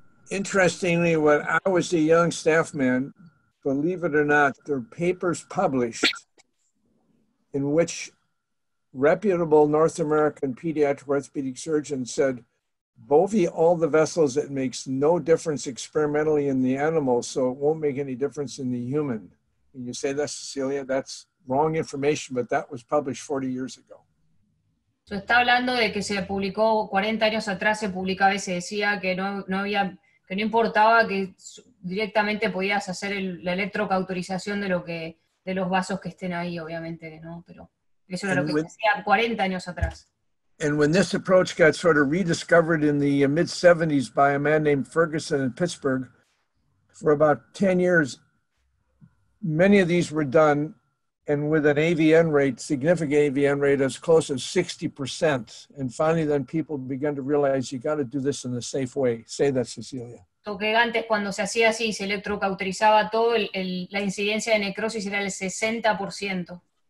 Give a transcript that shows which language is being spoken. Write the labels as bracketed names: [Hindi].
[English] Interestingly, when I was a young staff man, believe it or not, there are papers published in which reputable North American pediatric orthopedic surgeons said, bovie all the vessels, it makes no difference experimentally in the animal, so it won't make any difference in the human. And you say that, Cecilia, that's wrong information, but that was published 40 years ago. [Spanish] So está hablando de que se publicó 40 años atrás, se publicaba y se decía que no había... que no importaba que directamente podías hacer la electrocauterización de los vasos que estén ahí, obviamente, ¿no? Pero eso era lo que se hacía 40 años atrás. [English] And when this approach got sort of rediscovered in the mid-70s by a man named Ferguson in Pittsburgh, for about 10 years, many of these were done, and with an AVN rate, significant AVN rate, as close as 60%. And finally, then people began to realize you got to do this in a safe way. Say that, Cecilia. [Spanish] Porque antes, cuando se hacía así, se electrocauterizaba todo, la incidencia de necrosis era el 60%.